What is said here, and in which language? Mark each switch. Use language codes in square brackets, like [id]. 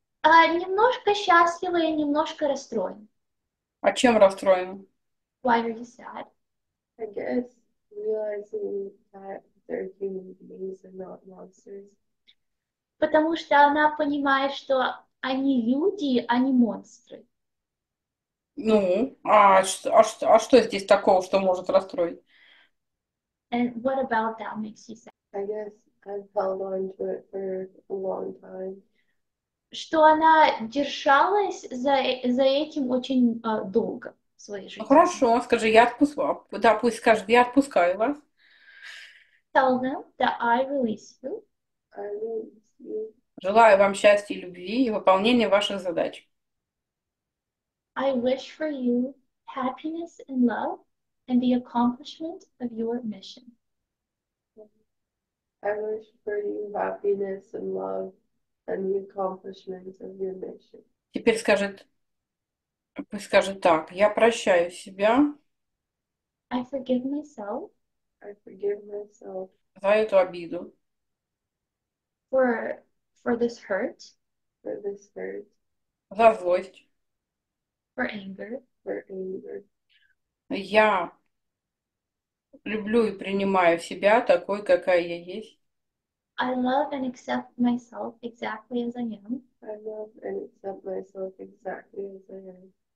[ru] Немножко счастлива и немножко расстроена. А чем расстроена? [en] Why are you sad? I guess realizing that they're human beings and not monsters. [ru] Потому что она понимает, что они люди, а не монстры. Ну, а что здесь такого, что может расстроить? [en] And what about that makes you sad? I guess I've held on to it for a long time. [ru] Что она держалась за этим очень долго в своей жизни. Хорошо, скажи, я отпускаю. Да, пусть скажет, я отпускаю вас. [en] Tell them that I release you. [ru] Желаю вам счастья и любви и выполнения ваших задач. [en] I wish for you happiness and love and the accomplishment of your mission. I wish for you happiness and love and the accomplishment of your mission. [ru] Теперь скажет, пусть скажет так, я прощаю себя. [en] I forgive myself. I forgive myself. [ru] За эту обиду. [en] For this hurt. For this hurt. [ru] За злость. [en] For anger. For anger. [ru] Я люблю и принимаю себя такой, какая я есть. [en] I love and accept myself exactly as I am. I love and accept myself exactly as I am.